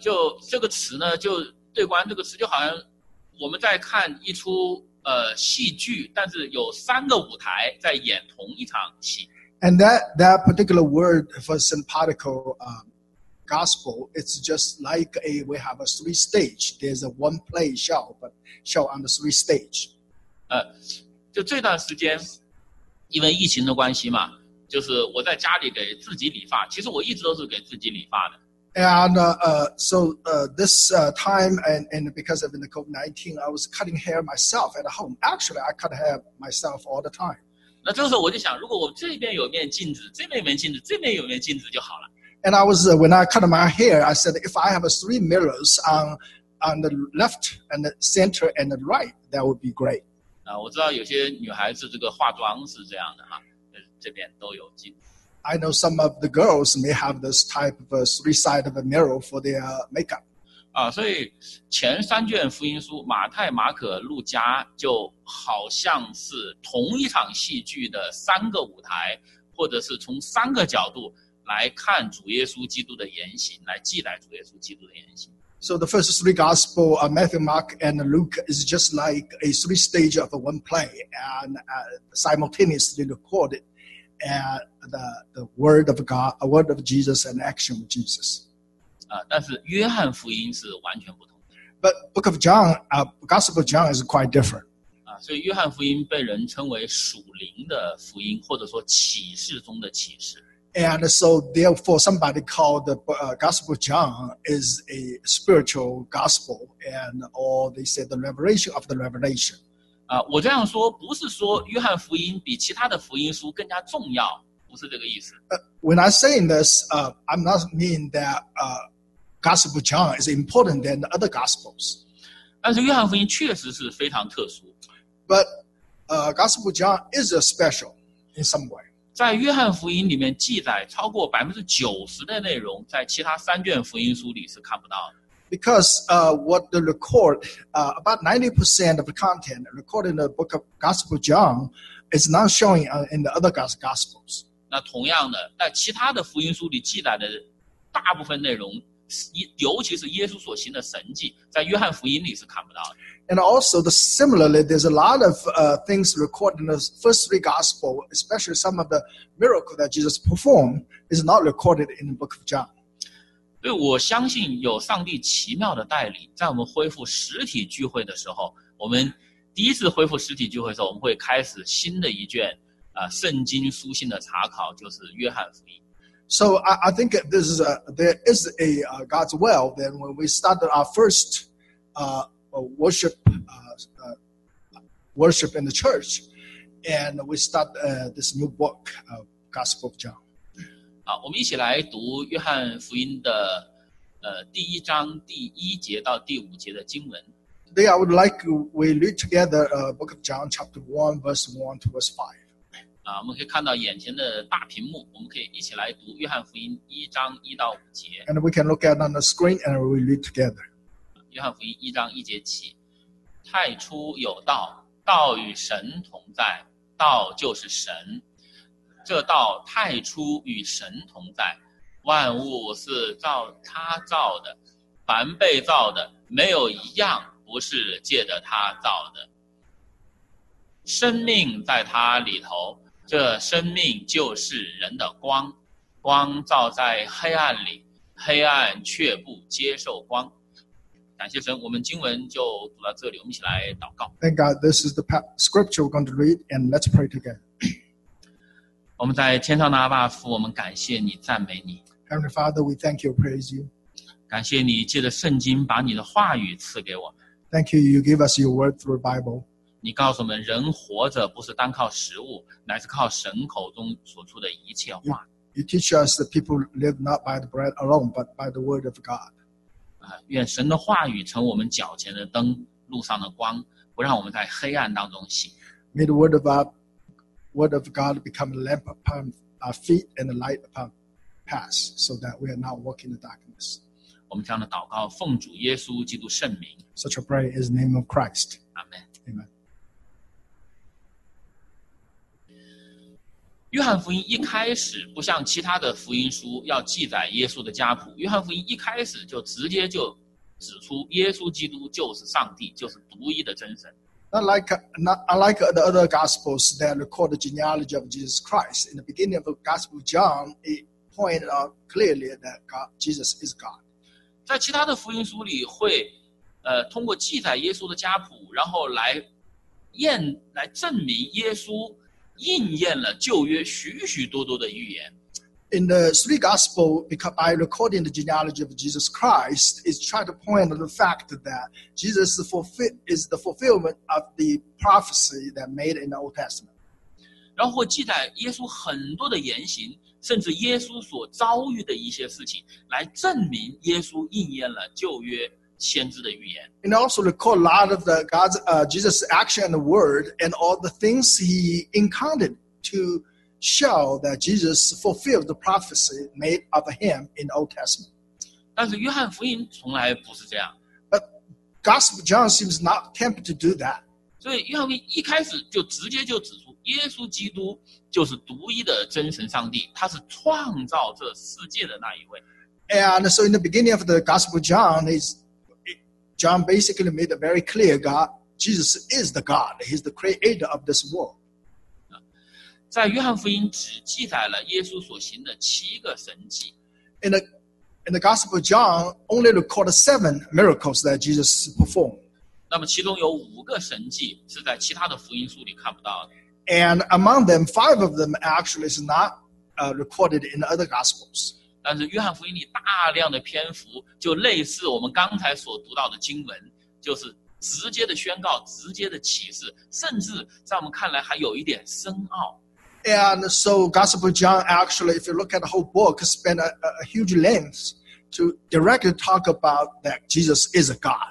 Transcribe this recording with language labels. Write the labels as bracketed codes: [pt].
[zh] 就这个词呢，就对观这个词，就好像我们在看一出戏剧，但是有三个舞台在演同一场戏。 [en] And that particular word for synoptic gospel, it's just like we have a three stage. There's a one play show, but show on the three stage. [zh] 就这段时间，因为疫情的关系嘛，就是我在家里给自己理发。其实我一直都是给自己理发的。 [en] And so this time, because of the COVID-19, I was cutting hair myself at home. Actually, I cut hair myself all the time. [zh] 那这个时候我就想，如果我这边有面镜子，这边有面镜子，这边有面镜子就好了。 [en] And I was when I cut my hair, I said if I have three mirrors on the left and the center and the right, that would be great. [zh] 我知道有些女孩子这个化妆是这样的哈，这边都有镜。 [en] I know some of the girls may have this type of a three side of a mirror for their makeup. [zh] 所以前三卷福音书马太、马可、路加就好像是同一场戏剧的三个舞台，或者是从三个角度。来看主耶稣基督的言行，来记载主耶稣基督的言行。 [en] So the first three gospels, Matthew, Mark, and Luke, is just like a three stage of one play, and simultaneously recorded the word of God, a word of Jesus, and action of Jesus. [zh] 但是约翰福音是完全不同的。 [en] But Book of John, Gospel of John is quite different. [zh] 所以约翰福音被人称为属灵的福音，或者说启示中的启示。 [en] And so, therefore, somebody called the Gospel of John is a spiritual gospel, and or they said the revelation of the revelation. [zh] 我这样说不是说约翰福音比其他的福音书更加重要，不是这个意思。 [en] When I say this, I'm not mean that Gospel of John is important than the other gospels. [zh] 但是约翰福音确实是非常特殊。 [en] But Gospel of John is a special in some way. [zh] 在约翰福音里面记载超过 90% 的内容在其他三卷福音书里是看不到的。 [en] Because what the record, about 90% of the content recorded in the book of Gospel John is not showing in the other Gospels. [zh] 那同样的在其他的福音书里记载的大部分内容尤其是耶稣所行的神迹在约翰福音里是看不到的。 [en] And also, similarly, there's a lot of things recorded in the first three Gospels, especially some of the miracles that Jesus performed, is not recorded in the book of John. [zh] 对，我相信有上帝奇妙的带领，在我们恢复实体聚会的时候，我们第一次恢复实体聚会的时候，我们会开始新的一卷圣经书信的查考，就是约翰福音。 [en] So I think this is God's will, then when we started our first worship in the church, and we start this new book, Gospel of John. [zh] 我们一起来读约翰福音的第一章第一节到第五节的经文。 [en] Today I would like we read together Book of John, chapter 1, verse 1 to verse 5. [zh] 啊，我们可以看到眼前的大屏幕，我们可以一起来读约翰福音一章一到五节。 [en] And we can look at on the screen and we read together. [zh] 约翰福音一章一节起，太初有道，道与神同在，道就是神。这道太初与神同在，万物是照他造的，凡被造的没有一样不是借着他造的。生命在他里头，这生命就是人的光，光照在黑暗里，黑暗却不接受光。感谢神，我们经文就读到这里，我们一起来祷告。 [en] Thank God, this is the scripture we're going to read, and let's pray together. [zh] 我们在天上的阿爸父，我们感谢你，赞美你。 [en] Heavenly Father, we thank you, praise you. [zh] 感谢你借着圣经把你的话语赐给我。 [en] Thank you, you give us your word through the Bible. [zh] 你告诉我们，人活着不是单靠食物，乃是靠神口中所出的一切话。 [en] You teach us that people live not by the bread alone, but by the word of God. [zh] 愿神的话语成我们脚前的灯，路上的光，不让我们在黑暗当中行。 [en] May the word of God become a lamp upon our feet and a light upon paths, so that we are not walking in the darkness. [zh] 我们这样的祷告，奉主耶稣基督圣名。 [en] Such a prayer is the name of Christ. Amen. Amen. [zh] 约翰福音一开始不像其他的福音书要记载耶稣的家谱，约翰福音一开始就直接就指出耶稣基督就是上帝，就是独一的真神。 [en] Not unlike the other gospels that record the genealogy of Jesus Christ, in the beginning of the Gospel of John, it pointed out clearly that God, Jesus is God. [zh] 在其他的福音书里会，通过记载耶稣的家谱，然后来证明耶稣。应验了旧约许许多多的预言。 [en] In the three gospels, because by recording the genealogy of Jesus Christ, it's trying to point to the fact that Jesus is the fulfillment of the prophecy that made in the Old Testament. [zh] 然后记载耶稣很多的言行，甚至耶稣所遭遇的一些事情，来证明耶稣应验了旧约。先知的预言。 [en] And also record a lot of the God's, Jesus' action and the word and all the things he encountered to show that Jesus fulfilled the prophecy made of him in the Old Testament. [zh] 但是约翰福音从来不是这样。 [en] But Gospel John seems not tempted to do that. [zh] 所以约翰福音一开始就直接就指出耶稣基督就是独一的真神上帝，他是创造这世界的那一位。 [en] And so in the beginning of the Gospel John, John basically made it very clear, God, Jesus is the God. He's the creator of this world. [zh] 在约翰福音只记载了耶稣所行的七个神迹。 [en] In the Gospel of John, only recorded seven miracles that Jesus performed. [zh] 那么其中有五个神迹是在其他的福音书里看不到的。 [en] And among them, five of them actually is not recorded in the other Gospels. [zh] 但是约翰福音里大量的篇幅就类似我们刚才所读到的经文，就是直接的宣告，直接的启示，甚至在我们看来还有一点深奥。 [en] And so Gospel John actually, if you look at the whole book, spent a huge length to directly talk about that Jesus is a God.